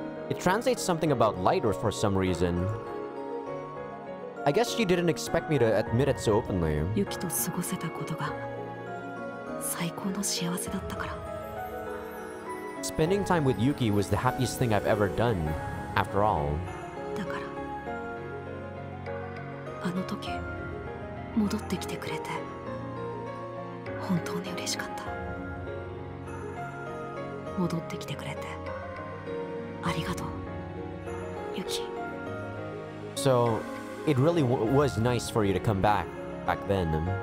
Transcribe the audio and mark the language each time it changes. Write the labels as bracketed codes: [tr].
[en] It translates something about lighter for some reason. I guess she didn't expect me to admit it so openly. [ja] Yuki to 過ごせたことが最高の幸せだったから。 [en] Spending time with Yuki was the happiest thing I've ever done, after all. [ja] だから、あの時、戻ってきてくれて。本当に嬉しかった。戻ってきてくれてありがとう、ユキ。 [en] So, it really was nice for you to come back, back then.